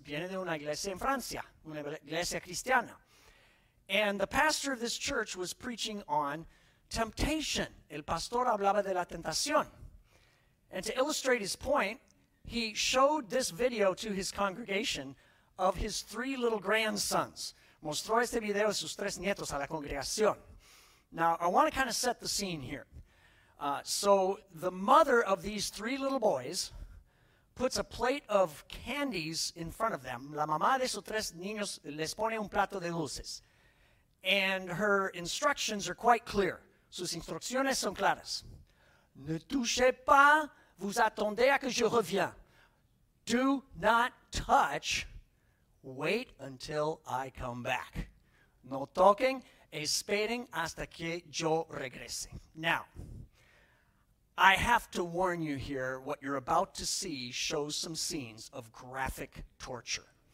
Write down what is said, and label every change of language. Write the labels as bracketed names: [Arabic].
[Spanish] Viene de una iglesia en Francia, una iglesia cristiana. [English] And the pastor of this church was preaching on temptation. [Spanish] El pastor hablaba de la tentación. [English] And to illustrate his point, he showed this video to his congregation of his three little grandsons. [Spanish] Mostró este video a sus tres nietos a la congregación. [English] Now, I want to kind of set the scene here. So the mother of these three little boys puts a plate of candies in front of them. [Spanish] La mamá de esos tres niños les pone un plato de dulces. [English] And her instructions are quite clear. [Spanish] Sus instrucciones son claras. [French] Ne touchez pas, vous attendez à que je revienne. [English] Do not touch, wait until I come back. [Spanish] No toquen, esperen hasta que yo regrese. [English] Now, I have to warn you here, what you're about to see shows some scenes of graphic torture.